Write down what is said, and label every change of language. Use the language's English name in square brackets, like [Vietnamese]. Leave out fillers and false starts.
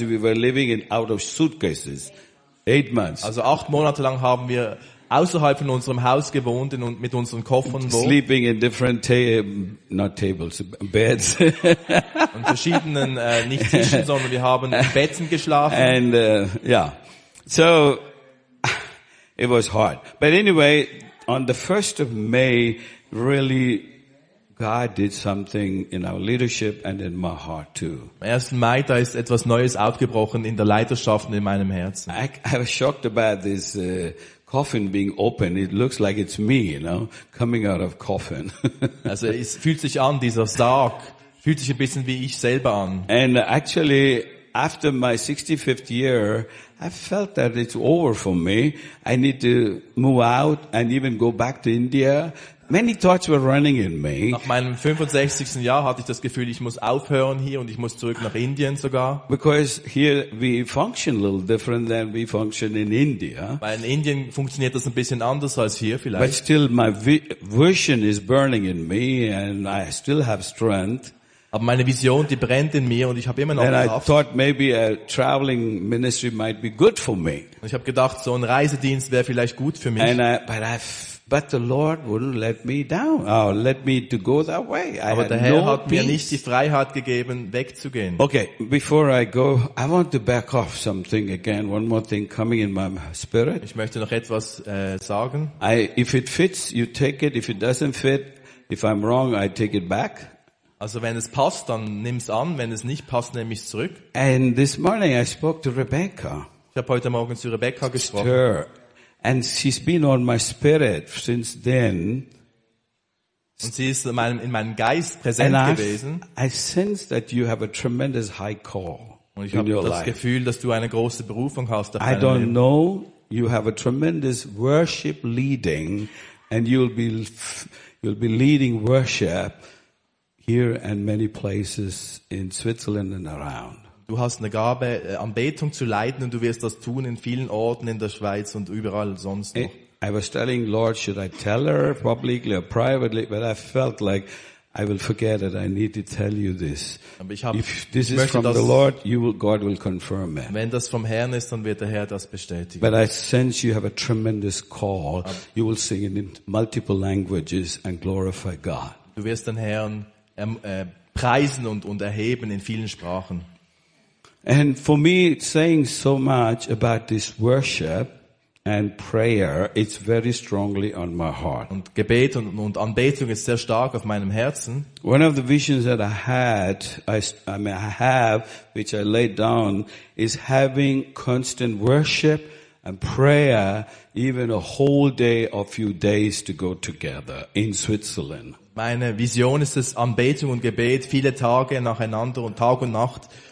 [English] We were living in out of suitcases, 8 months. [German] Also 8 Monate lang haben wir außerhalb von unserem Haus gewohnt und mit unseren Koffern. [English] Sleeping in different beds. [German] Und verschiedenen nicht Tischen, sondern wir haben in Betten geschlafen. [English] And so it was hard. But anyway, on the 1st of May, really. God did something in our leadership and in my heart too. [German] Am 1. Mai, da ist etwas Neues aufgebrochen in der Leiterschaft und in meinem Herzen. [English] I was shocked about this coffin being open. It looks like it's me, you know, coming out of coffin. [German] Also es fühlt sich an, dieser Sarg fühlt sich ein bisschen wie ich selber an. [English] And actually, after my 65th year, I felt that it's over for me. I need to move out and even go back to India. Many thoughts were running in me. [German] Nach meinem 65. Jahr hatte ich das Gefühl, ich muss aufhören hier und ich muss zurück nach Indien sogar. [English] Because here we function a little different than we function in India. [German] Weil in Indien funktioniert das ein bisschen anders als hier vielleicht. [English] But still my vision is burning in me and I still have strength. [German] Aber meine Vision, die brennt in mir und ich habe immer noch [English] and [German] Kraft. [English] I thought maybe a traveling ministry might be good for me. [German] Und ich habe gedacht, so ein Reisedienst wäre vielleicht gut für mich. [English] But the Lord wouldn't let me down. Oh, let me to go that way. [German] Aber der Herr hat mir nicht die Freiheit gegeben, wegzugehen. [English] Okay, before I go, I want to back off something again. One more thing coming in my spirit. [German] Ich möchte noch etwas sagen. [English] If it fits, you take it. If it doesn't fit, if I'm wrong, I take it back. [German] Also wenn es passt, dann nimm's an. Wenn es nicht passt, nehme ich's zurück. [English] And this morning I spoke to Rebecca. [German] Ich habe heute Morgen zu Rebecca gesprochen. [English] And she's been on my spirit since then. [German] Und sie ist in meinem Geist präsent gewesen. [English] I sense that you have a tremendous high call. [German] Und ich habe das Gefühl, dass du eine große Berufung hast. [English] I don't know. You have a tremendous worship leading, and you'll be leading worship here and many places in Switzerland and around. [German] Du hast eine Gabe, Anbetung zu leiten, und du wirst das tun in vielen Orten in der Schweiz und überall sonst noch. [English] I was telling Lord, should I tell her publicly or privately, but I felt like I will forget it. I need to tell you this. If this is from the Lord, God will confirm it. [German] Wenn das vom Herrn ist, dann wird der Herr das bestätigen. [English] But I sense you have a tremendous call. You will sing it in multiple languages and glorify God. [German] Du wirst den Herrn preisen und erheben in vielen Sprachen. [English] And for me, saying so much about this worship and prayer, it's very strongly on my heart. [German] Und Gebet und Anbetung ist sehr stark auf meinem Herzen. [English] One of the visions that I had, I have, which I laid down, is having constant worship and prayer, even a whole day or few days to go together in Switzerland. [German] Meine Vision ist es, Anbetung und Gebet viele Tage nacheinander und Tag und Nacht.